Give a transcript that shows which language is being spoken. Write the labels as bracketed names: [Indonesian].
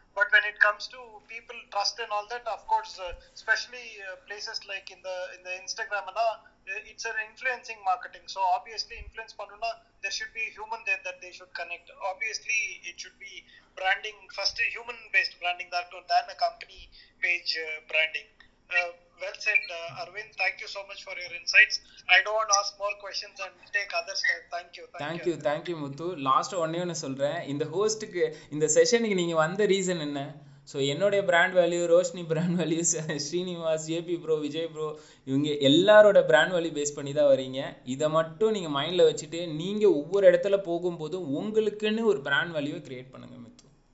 [English] but when it comes to people trust and all that, of course specially places like [Tamil] இந்த Instagram எல்லாம் [English] It's an influencing marketing, so obviously influence பண்ணணும்னா there should be human there that they should connect. Obviously it should be branding first, human based branding தான் to then a company page branding. Well said, Arvind. Thank you so much for your insights. I don't want to ask more questions and take others. Thank you, Muthu. Last one you [Tamil] சொல்றேன், இந்த ஹோஸ்ட்டுக்கு இந்த செஷனுக்கு நீங்க வந்த reason என்ன? So என்னுடைய brand value, Roshini brand value, Srinivas, JP bro, Vijay bro, இவங்க எல்லாரோட brand value base பண்ணி தான் வரீங்க. இதை மட்டும் நீங்கள் மைண்டில் வச்சுட்டு நீங்கள் ஒவ்வொரு இடத்துல போகும்போதும் உங்களுக்குன்னு ஒரு பிராண்ட் வேல்யூவை கிரியேட் பண்ணுங்க மித்து,